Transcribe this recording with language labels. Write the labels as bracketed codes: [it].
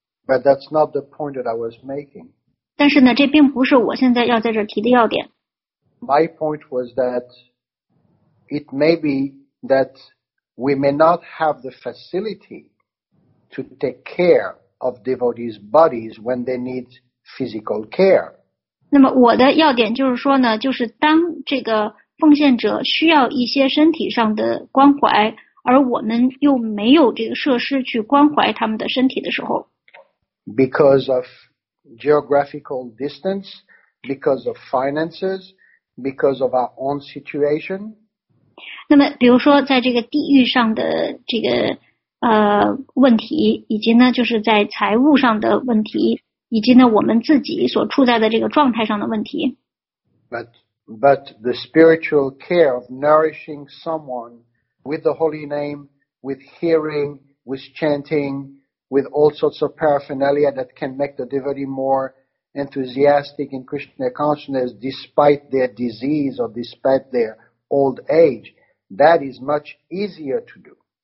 [en] But that's not the point that I was making. [zh] 但是呢，这并不是我现在要在这提的要点。 [en] My point was that it may be that we may not have the facility to take care of devotees' bodies when they need physical care. [zh] 那么我的要点就是说呢，就是当这个奉献者需要一些身体上的关怀，而我们又没有这个设施去关怀他们的身体的时候。 [en] Because of geographical distance, because of finances, because of our own situation. [zh] 那么比如说在这个地域上的这个问题，以及呢就是在财务上的问题，以及呢我们自己所处在的这个状态上的问题。 [en] But the spiritual care of nourishing someone with the holy name, with hearing, with chanting, with all sorts of paraphernalia that can make the devotee more enthusiastic in Krishna consciousness despite their disease or despite their old age, that is much easier to do.